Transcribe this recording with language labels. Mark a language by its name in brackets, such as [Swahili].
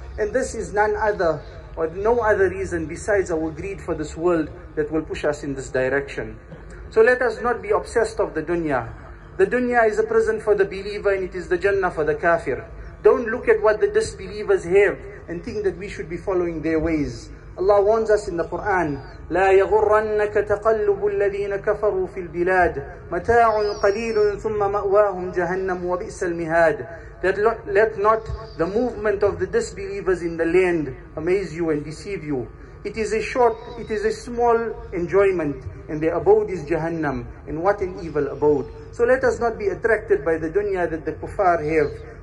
[English] And this is none other or no other reason besides our greed for this world that will push us in this direction. So let us not be obsessed of the dunya. The dunya is a prison for the believer and it is the jannah for the kafir. Don't look at what the disbelievers have and think that we should be following their ways. Allah warns us in the Quran, [Arabic] لا يغرنك تقلب الذين كفروا في البلاد متاع قليل ثم مأواهم جهنم وبئس المهاد. [English] That let not the movement of the disbelievers in the land amaze you and deceive you. It is a small enjoyment, and their abode is Jahannam, and what an evil abode. So let us not be attracted by the dunya that the kuffar have.